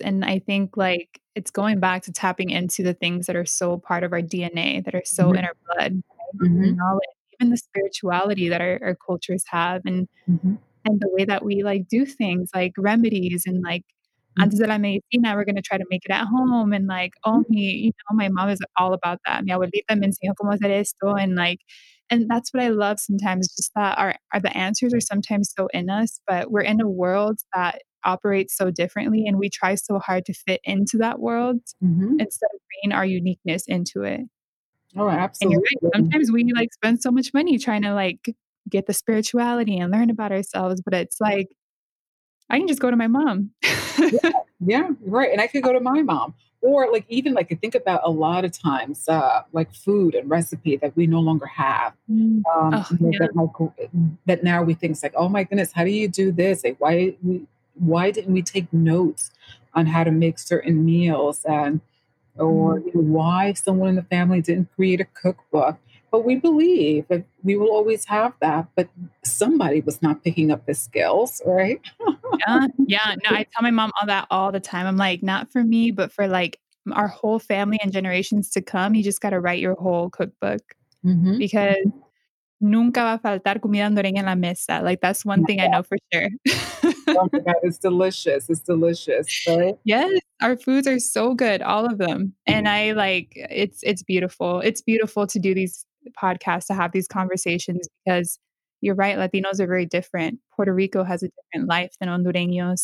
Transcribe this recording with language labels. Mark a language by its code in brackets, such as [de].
[en] And I think like it's going back to tapping into the things that are so part of our DNA, that are so in our blood, knowledge. Even the spirituality that our cultures have, and the way that we like do things, like remedies, and like [es] antes de la medicina, [en] we're gonna try to make it at home, and like my mom is all about that. [es] Mi abuelita me enseñó cómo hacer esto, [en] and that's what I love sometimes. Just that the answers are sometimes so in us, but we're in a world that operates so differently, and we try so hard to fit into that world instead of bringing our uniqueness into it. Oh, absolutely. And you're right. Sometimes we like spend so much money trying to like get the spirituality and learn about ourselves, but it's like, I can just go to my mom. Right. And I could go to my mom, or like, even like, I think about a lot of times, like food and recipe that we no longer have, that now we think it's like, oh my goodness, how do you do this? Like, why didn't we take notes on how to make certain meals, and, or why someone in the family didn't create a cookbook? But we believe that we will always have that. But somebody was not picking up the skills, right? Yeah. No, I tell my mom all that all the time. I'm like, not for me, but for like our whole family and generations to come. You just got to write your whole cookbook. Mm-hmm. Because [es] nunca va a faltar comida hondureña en la mesa. [en] Like, that's one thing I know for sure. It's delicious. It's delicious, right? Yes. Our foods are so good, all of them. And I like, it's beautiful. It's beautiful to do these podcasts, to have these conversations, because you're right. Latinos are very different. Puerto Rico has a different life than Hondureños.